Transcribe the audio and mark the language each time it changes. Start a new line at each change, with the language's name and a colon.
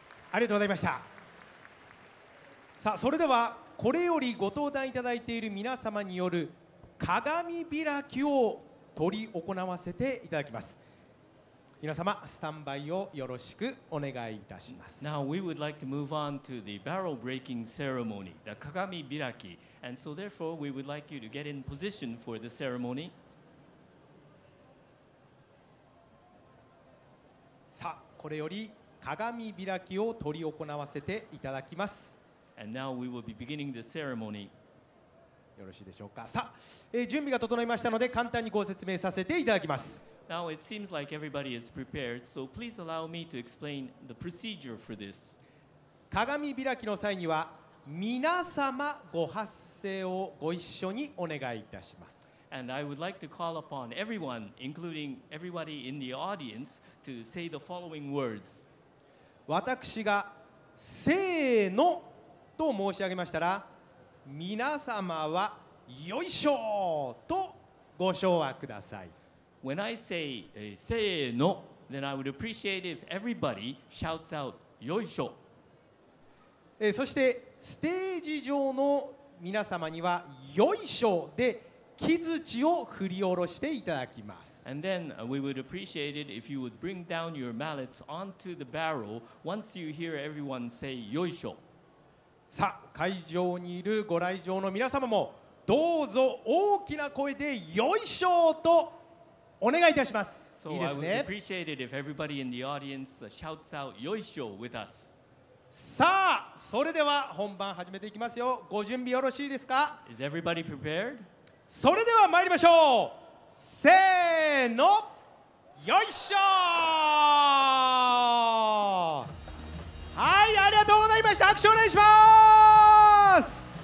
Japanese: ありがとうございました。さあ、それではこれよりご登壇いただいている皆様による鏡開きを執り行わせていただきます。皆様スタンバイをよろしくお願いいたします。
English: Now we would like to move on to the barrel breaking ceremony, the 鏡開き and so therefore we would like you to get in position for the ceremony.
Japanese: さあ、これより鏡開きを執り行わせていただきます。
English: And now we will be beginning the ceremony.
Japanese: よろしいでしょうか。さあ、準備が整いましたので簡単にご説明させていただきます。
English: Now it seems like everybody is prepared, so please allow me to explain the procedure for this.
Japanese: 鏡開きの際には皆様ご発声をご一緒にお願いいたします。
English: And I would like to call upon everyone, including everybody in the audience, to say the following words.
Japanese: 私がせーのと申し上げましたら、皆様はよいしょとご唱和ください。
English: When I say せーの then I would appreciate if everybody shouts out よいしょ。
Japanese: そしてステージ上の皆様にはよいしょで木槌を振り下ろしていただきます。
English: And then we would appreciate it if you would bring down your mallets onto the barrel once you hear everyone say よいしょ。
Japanese: さあ、会場にいるご来場の皆様もどうぞ大きな声でよいしょとお願いいたします。
English: So、
Japanese: いいですね。
English: I would appreciate it if everybody in the audience shouts out よいしょ with us.
Japanese: さあ、それでは本番始めていきますよ。ご準備よろしいですか?
English: Is everybody prepared?
Japanese: それでは参りましょう。せーの、よいしょ。はい、ありがとうございました。拍手お願いします。